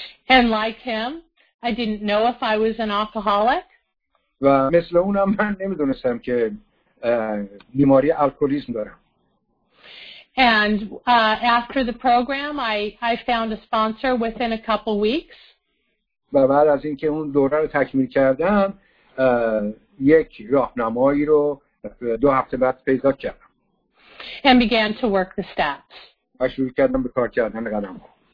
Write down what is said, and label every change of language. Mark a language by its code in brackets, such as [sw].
[en] And like him, I didn't know if I was an alcoholic. [fa] و مثل اونم من نمیدونستم که بیماری الکلیسم دارم. [en] And after the program, I found a sponsor within a couple weeks. [fa] و بعد از اینکه اون دوره رو تکمیل کردم، یک راهنمایی رو دو هفته بعد پیدا کردم. [en] And began to work the steps. [fa] و شروع کردم به کار کردن قدم‌ها.